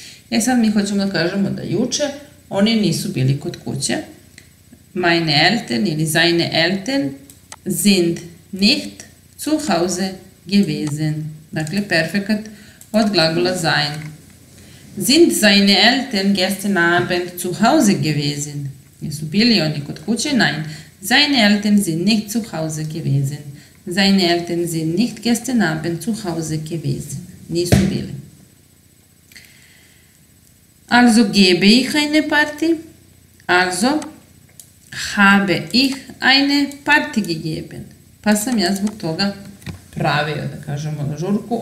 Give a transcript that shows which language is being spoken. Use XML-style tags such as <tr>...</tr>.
<sr>E sad mi hoćemo da kažemo da juče oni nisu bili kod kuće.</sr> <de>Meine Eltern</de> <sr>ili</sr> <de>seine Eltern sind nicht zu Hause gewesen.</de> <sr>Dakle, perfekat od glagola</sr> <de>sein. Sind seine Eltern gestern Abend zu Hause gewesen?</de> <sr>Jesu bili oni kod kuće?</sr> <de>Nein. Seine Eltern sind nicht zu Hause gewesen. Seine Eltern sind nicht gestern Abend zu Hause gewesen.</de> <sr>Nisu bili.</sr> <de>Also gebe ich eine Party. Also habe ich eine Party gegeben.</de> <sr>Pa sam ja zbog toga pravio, da kažemo, žurku.</sr>